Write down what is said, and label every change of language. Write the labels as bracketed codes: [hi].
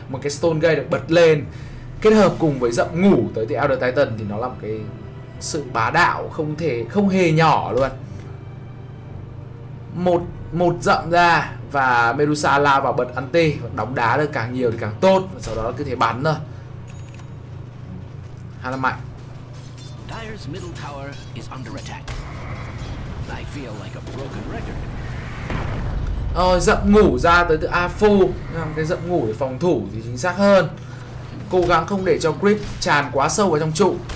[vi] Một cái Stone Gate được bật lên kết hợp cùng với giậm ngủ tới từ Elder Titan thì nó là một cái sự bá đạo không thể không hề nhỏ luôn. Một giậm ra và Medusa lao vào bật anti, đóng đá được càng nhiều thì càng tốt, và sau đó cứ thế bắn thôi. Hay là mạnh. [en] Dire's middle tower is under attack. I feel like a broken record. [vi] Rồi giậm ngủ ra tới từ Afu, cái giậm ngủ để phòng thủ thì chính xác hơn. Cố gắng không để cho creep tràn quá sâu vào trong trụ.